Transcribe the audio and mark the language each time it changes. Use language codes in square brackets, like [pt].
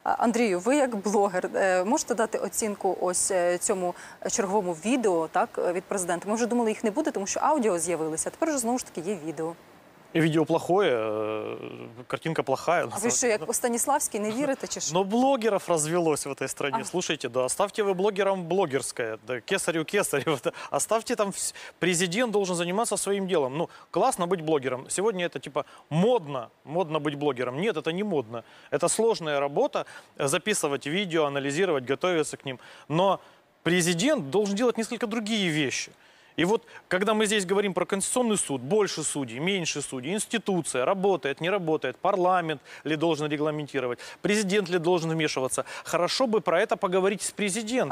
[uk] Андрію, ви як блогер можете дати оцінку ось цьому черговому відео, так, від президента? Ми вже думали, їх не буде, тому що аудіо з'явилися, а тепер вже знову ж таки є відео. [ru] Відео плохое, картинка плохая. [uk] А ви що, як у Станіславській, не вірите чи що? Ну, блогерів розвелось в цій країні. [ru] Слушайте, да, оставьте [uk] ви блогерам блогерське, да, кесарю кесарю. [ru] Оставьте там, президент должен [uk] займатися своїм ділом. Ну, класно бути блогером. Сьогодні це, типа, модно, модно бути блогером. Ні, це не модно. Це складна робота, записувати відео, аналізувати, готуватися к ним. [ru] Но президент должен делать несколько другие вещи. И вот, когда мы здесь говорим про Конституционный суд, больше судей, меньше судей, институция, работает, не работает, парламент ли должен регламентировать, президент ли должен вмешиваться, хорошо бы про это поговорить с президентом.